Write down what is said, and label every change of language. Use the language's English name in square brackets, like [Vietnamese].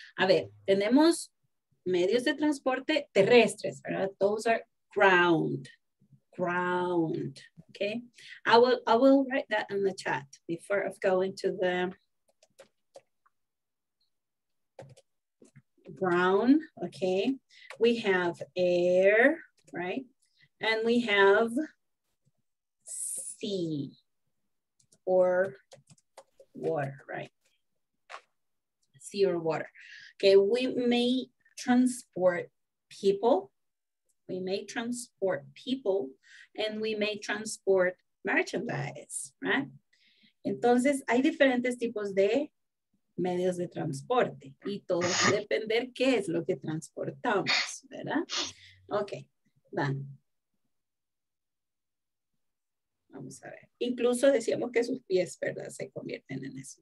[Spanish] A ver, tenemos medios de transporte terrestres, ¿verdad? [English] Those are ground, okay? I will write that in the chat before of going to the ground, okay? We have air, right? And we have sea. Or water, right? Sea or water. Okay, we may transport people. We may transport people and we may transport merchandise, right? [Spanish] Entonces, hay diferentes tipos de medios de transporte y todo va a depender qué es lo que transportamos, ¿verdad? [English] Okay, done. [Spanish] Vamos a ver. Incluso decíamos que sus pies, ¿verdad? Se convierten en eso.